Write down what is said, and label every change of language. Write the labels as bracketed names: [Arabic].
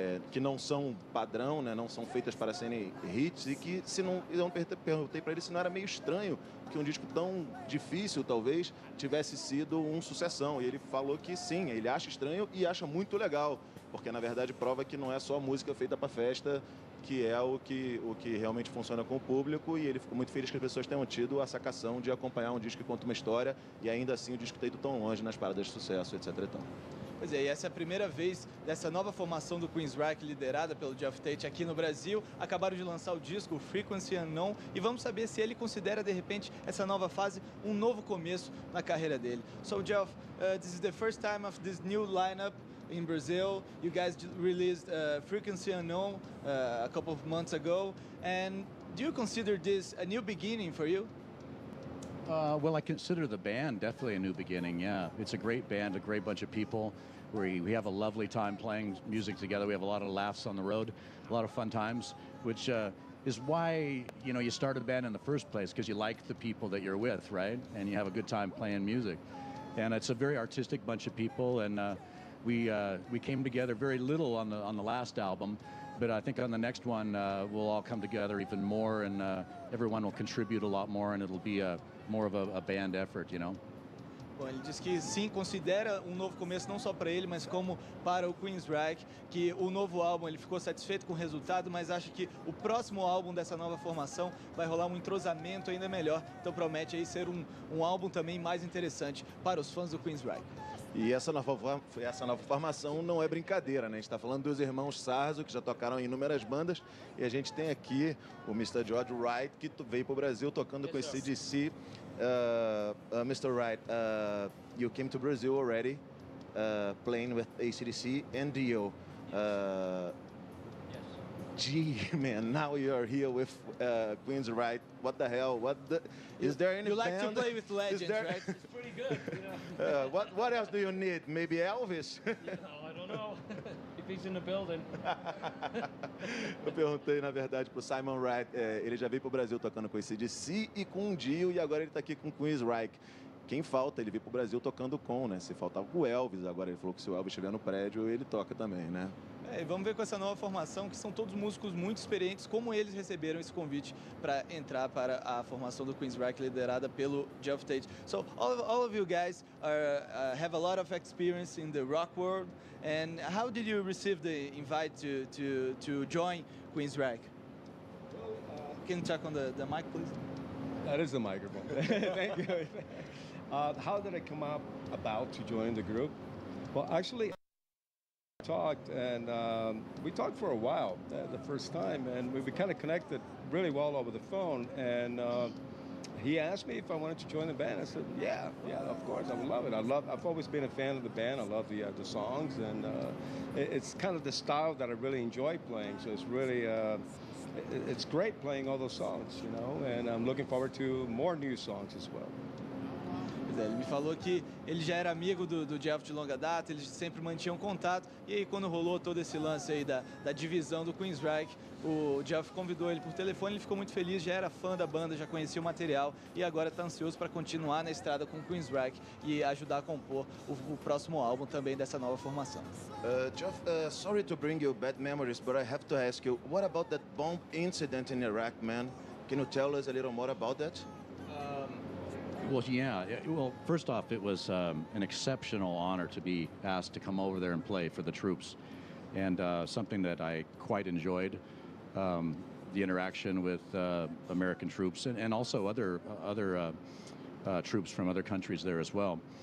[Portuguese] que não são padrão, né, não são feitas para serem hits, e que, se não, eu perguntei para ele se não era meio estranho que um disco tão difícil, talvez, tivesse sido um sucessão, e ele falou que sim, ele acha estranho e acha muito legal, porque, na verdade, prova que não é só música feita para festa, que é o que realmente funciona com o público, e ele ficou muito feliz que as pessoas tenham tido a sacação de acompanhar um disco que conta uma história, e ainda assim o disco ter ido tão longe nas paradas de sucesso, etc. Então. Pois é, e essa é a primeira vez dessa nova formação do QUEENSRŞCHE, liderada pelo Geoff Tate aqui no Brasil. Acabaram de lançar o disco Frequency Unknown, e vamos saber se ele considera, de repente, essa nova fase um novo começo na carreira dele. [English] So, Geoff, this is the first time of this new lineup in Brazil. You guys released Frequency Unknown a couple of months ago. And do you consider this a new beginning for you? Well, I consider the band definitely a new beginning, yeah. It's a great band, a great bunch of people. We have a lovely time playing music together. We have a lot of laughs on the road, a lot of fun times, which is why, you know, you start a band in the first place, because you like the people that you're with, right? And you have a good time playing music. And it's a very artistic bunch of people, and we came together very little on the last album, but I think on the next one we'll all come together even more, and everyone will contribute a lot more, and it'll be a more of a band effort, you know. [Portuguese] Bom, ele diz que sim, considera um novo começo não só para ele, mas como para o Queensryche, que o novo álbum, ele ficou satisfeito com o resultado, mas acha que o próximo álbum dessa nova formação vai rolar um entrosamento ainda melhor. Então promete aí ser um álbum também mais interessante para os fãs do Queensryche. E essa nova formação não é brincadeira, né? A gente está falando dos irmãos Sarzo, que já tocaram em inúmeras bandas, e a gente tem aqui o Mr. George Wright, que veio para o Brasil tocando com esse CDC. [English] Mr. Wright, you came to Brazil already, playing with AC/DC and Dio. Yes. Gee, man, now you are here with Queensryche. What the hell? Is there any? You like to play with legends, right? It's pretty good. You know? What else do you need? Maybe Elvis? Yeah, I don't know. In the building. [Portuguese] Eu perguntei, na verdade, pro Simon Wright. Ele já veio pro Brasil tocando com o CDC e com o Dio, e agora ele tá aqui com o Queensryche. Quem falta? Ele veio pro Brasil tocando com, né? Se faltava o Elvis, agora ele falou que se o Elvis estiver no prédio, ele toca também, né? E vamos ver com essa nova formação, que são todos músicos muito experientes, como eles receberam esse convite para entrar para a formação do Queensryche, liderada pelo Geoff Tate. [English] So, all of you guys have a lot of experience in the rock world. And how did you receive the invite to join Queensryche? Can you talk on the mic, please? That is the microphone. Thank you. How did it come up about to join the group? Well, actually, we talked, and we talked for a while the first time, and we kind of connected really well over the phone. And he asked me if I wanted to join the band. I said, yeah, of course, I would love it. I've always been a fan of the band. I love the songs, and it's kind of the style that I really enjoy playing. So it's really, it's great playing all those songs, you know, and I'm looking forward to more new songs as well. [Portuguese] Ele me falou que ele já era amigo do Geoff de longa data, eles sempre mantinham contato. E aí, quando rolou todo esse lance aí da divisão do Queensryche, o Geoff convidou ele por telefone, ele ficou muito feliz, já era fã da banda, já conhecia o material e agora está ansioso para continuar na estrada com o Queensryche e ajudar a compor o próximo álbum também dessa nova formação. [English] Geoff, sorry to bring you bad memories, but I have to ask you, what about that bomb incident in Iraq, man? Can you tell us a little more about that? Well, yeah. Well, first off, it was an exceptional honor to be asked to come over there and play for the troops, and something that I quite enjoyed, the interaction with American troops and also other troops from other countries there as well.